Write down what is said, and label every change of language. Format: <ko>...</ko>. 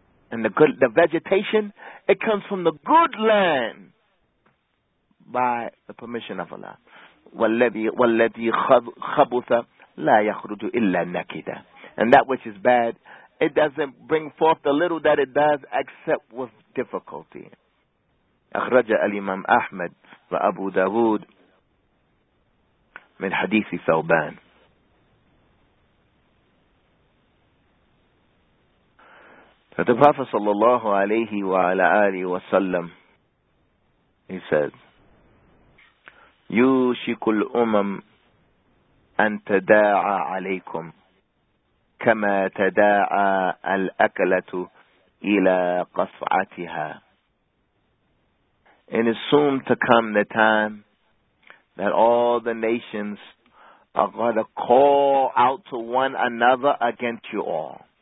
<en>And the vegetation, it comes from the good land by the permission of Allah.</en> <ar>وَالَّذِي خَبُثَ لَا يَخْرُجُ إِلَّا نَكِدًا.</ar> <en>And that which is bad, it doesn't bring forth the little that it does except with difficulty.</en> <ar>أخرجه الإمام أحمد وأبو داود من حديث ثوبان.</ar> <en>The Prophet</en> <ar>صلى الله عليه وعلى آله وسلم,</ar> <en>he says,</en> <ar>يوشك الأمم أن تداعى عليكم كما تداعى الأكلة إلى قصعتها.</ar> <en>And it's soon to come the time that all the nations are going to call out to one another against you all.</en>